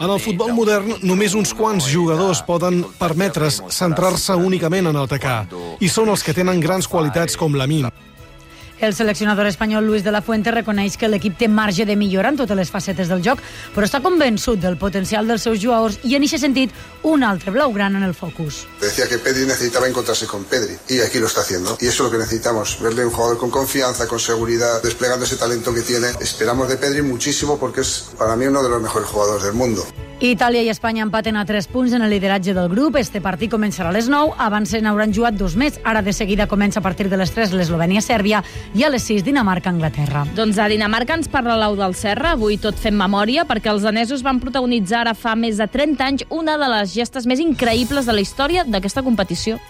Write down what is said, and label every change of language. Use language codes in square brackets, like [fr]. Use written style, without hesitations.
[ca] En el futbol modern, només uns quants jugadors poden permetre's centrar-se únicament en atacar, i són els que tenen grans qualitats com Lamine. El seleccionador espanyol Luis de la Fuente reconeix que l'equip té marge de millora en totes les facetes del joc, però està convençut del potencial dels seus jugadors i, en aquest sentit, un altre blaugrana en el focus. [es] Decía que Pedri necesitaba encontrarse con Pedri, y aquí lo está haciendo. Y eso es lo que necesitamos, verle un jugador con confianza, con seguridad, desplegando ese talento que tiene. Esperamos de Pedri muchísimo porque es, para mí, uno de los mejores jugadores del mundo. [ca] Itàlia i Espanya empaten a 3 punts en el lideratge del grup. Este partit començarà a les 9, abans n'hauran jugat 2 més. Ara de seguida comença a partir de les 3 l'Eslovènia-Sèrbia i a les 6 Dinamarca-Anglaterra. Doncs a Dinamarca ens parla l'Au del Serra. Avui tot fent memòria perquè els danesos van protagonitzar ara fa més de 30 anys una de les gestes més increïbles de la història d'aquesta competició.